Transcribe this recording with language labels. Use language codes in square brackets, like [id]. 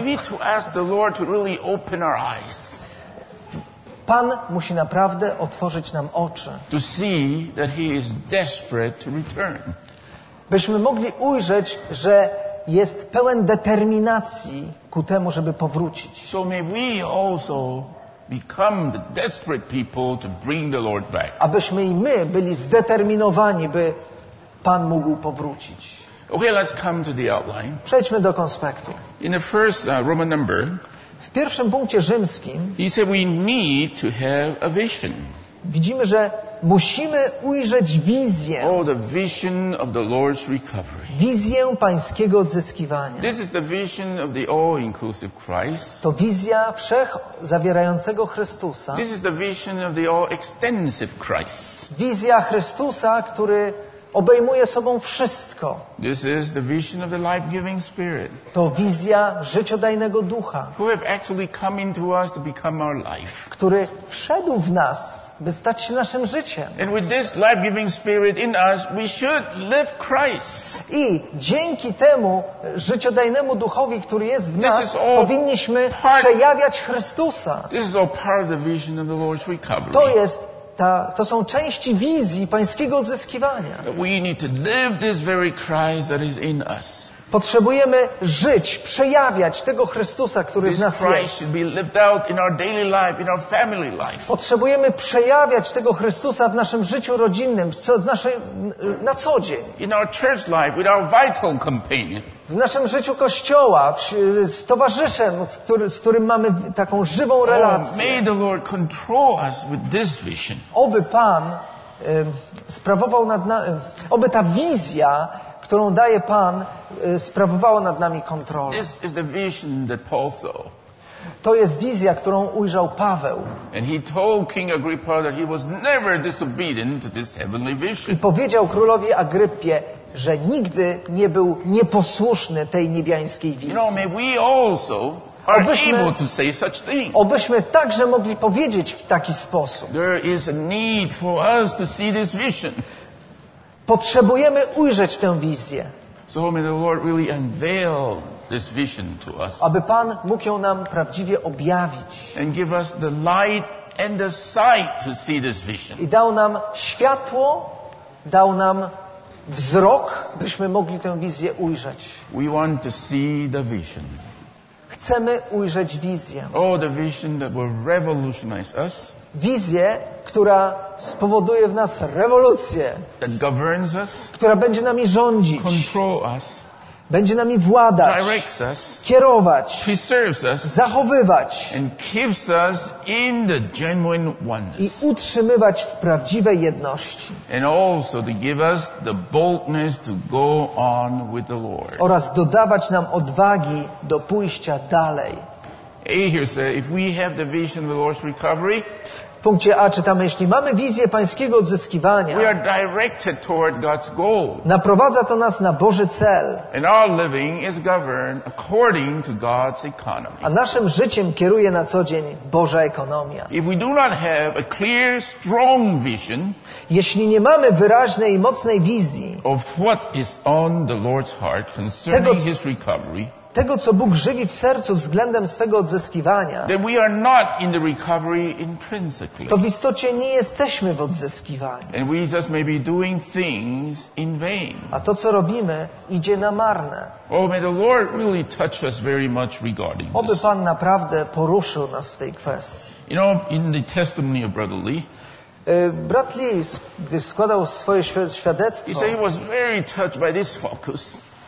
[en] We need to ask the Lord to really open our eyes. [pl] Pan musi naprawdę otworzyć nam oczy. [en] To see that he is desperate to return. [pl] Byśmy mogli ujrzeć, że jest pełen determinacji ku temu, żeby powrócić. [en] So may we also become the desperate people to bring the Lord back. [pl] Abyśmy i my byli zdeterminowani, by Pan mógł powrócić. [en] Okay, let's come to the outline. [pl] Przejdźmy do konspektu. [en] In the first Roman number, [pl] w pierwszym punkcie rzymskim [en] he said we need to have a vision. [pl] Widzimy, że musimy ujrzeć wizję. [en] Oh, the vision of the Lord's recovery. [pl] Wizję pańskiego odzyskiwania. [en] This is the vision of the all-inclusive Christ. [pl] To wizja wszech zawierającego Chrystusa. [en] This is the vision of the all-extensive Christ. [pl] Wizja Chrystusa, który obejmuje sobą wszystko. [en] This is the vision of the life-giving spirit. [pl] To wizja życiodajnego ducha, [en] who have actually come into us to become our life. [pl] Który wszedł w nas, by stać się naszym życiem. [en] And with this life-giving spirit in us, we should live Christ. [pl] I dzięki temu życiodajnemu duchowi, który jest w nas, powinniśmy przejawiać Chrystusa. [en] This is all part of the vision of the Lord's recovery. [pl] To jest to są części wizji pańskiego odzyskiwania. [en] We need to live this very Christ that is in us. [pl] Potrzebujemy żyć, przejawiać tego Chrystusa, który [en] this [pl] w nas [en] Christ [pl] jest. [en] Should be lived out in our daily life, in our family life. [pl] Potrzebujemy przejawiać tego Chrystusa w naszym życiu rodzinnym, na co dzień. [en] In our church life, with our vital companion. [pl] W naszym życiu kościoła, z towarzyszem, z którym mamy taką żywą relację. [en] Oh, may the Lord control us with this vision. [pl] Oby Pan sprawował nad nami, oby ta wizja, którą daje Pan, sprawowała nad nami kontrolę. [en] This is the vision that Paul saw. [pl] To jest wizja, którą ujrzał Paweł. [en] And he told King Agrippa that he was never disobedient to this heavenly vision. [pl] I powiedział królowi Agrypie, że nigdy nie był nieposłuszny tej niebiańskiej wizji. [en] You know, may we also are able to say such thing. [pl] Obyśmy także mogli powiedzieć w taki sposób. [en] There is a need for us to see this vision. [pl] Potrzebujemy ujrzeć tę wizję. [en] So may the Lord really unveil this vision to us. [pl] Aby Pan mógł ją nam prawdziwie objawić. [en] And give us the light and the sight to see this vision. [pl] I dał nam światło, dał nam wzrok, byśmy mogli tę wizję ujrzeć. [en] We want to see the vision. [pl] chcemy ujrzeć wizję. [en] Oh, the vision that will revolutionize us. [pl] Wizję, która spowoduje w nas rewolucję. [en] That governs us. [pl] Która będzie nami rządzić. [en] Control us. [pl] Będzie nami władać, [en] directs us, [pl] kierować, [en] preserves us, [pl] zachowywać [en] and keeps us in the genuine oneness. [pl] I utrzymywać w prawdziwej jedności. [en] And also to give us the boldness to go on with the Lord. [pl] Oraz dodawać nam odwagi do pójścia dalej. [en] Here says, if we have the vision of the Lord's recovery, [pl] w punkcie A czytamy, jeśli mamy wizję Pańskiego odzyskiwania, [en] we are directed toward God's goal. [pl] Naprowadza to nas na Boży cel. [en] And our living is governed according to God's economy. [pl] A naszym życiem kieruje na co dzień Boża ekonomia. [en] If we do not have a clear, strong vision, [pl] jeśli nie mamy wyraźnej i mocnej wizji [en] of what is on the Lord's heart concerning His recovery, [pl] tego, co Bóg żywi w sercu względem swego odzyskiwania, [en] we are not in the recovery intrinsically. [pl] To w istocie nie jesteśmy w odzyskiwaniu. [en] And we just may be doing things in vain. [pl] A to, co robimy, idzie na marne. [en] Oh, may the Lord really touch us very much regarding this. [pl] Oby Pan naprawdę poruszył nas w tej kwestii. [en] You know, in the testimony of Brother Lee, [pl] brat Lee, gdy składał swoje świadectwo, [en] he said he was very touched by this focus.